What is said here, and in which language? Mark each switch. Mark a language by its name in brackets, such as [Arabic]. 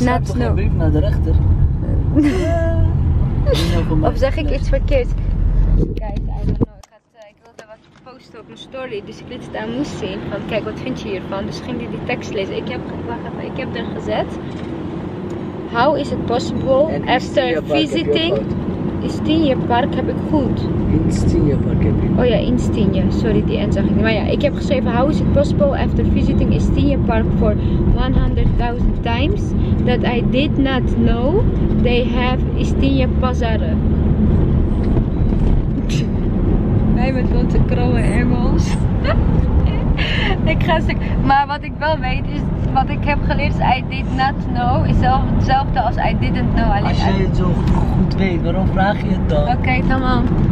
[Dutch] Je schrijft toch geen brief naar de rechter? Of zeg ik iets verkeerd? Kijk, [English] I don't know. [Dutch] Ik wilde wat posten op mijn story, dus ik liet het aan Moes zien. Van kijk, wat vind je hiervan? Dus ging hij die tekst lezen. Ik heb er gezet. [English] How is it possible after visiting... [Dutch] Instinje Park heb ik goed. Instinje Park heb ik. Oh ja, Instinje. Sorry, die end zag ik niet. Maar ja, ik heb geschreven: [English] How is it possible after visiting Instinje Park for 100,000 times that I did not know they have Instinje Pazar? [Dutch] Wij met onze krullen hemels. Maar wat ik wel weet is, wat ik heb geleerd is, [English] I did not know, [Dutch] is hetzelfde als [English] I didn't know. [Dutch] Als jij het zo goed weet, waarom vraag je het dan? [English] Oké, come on.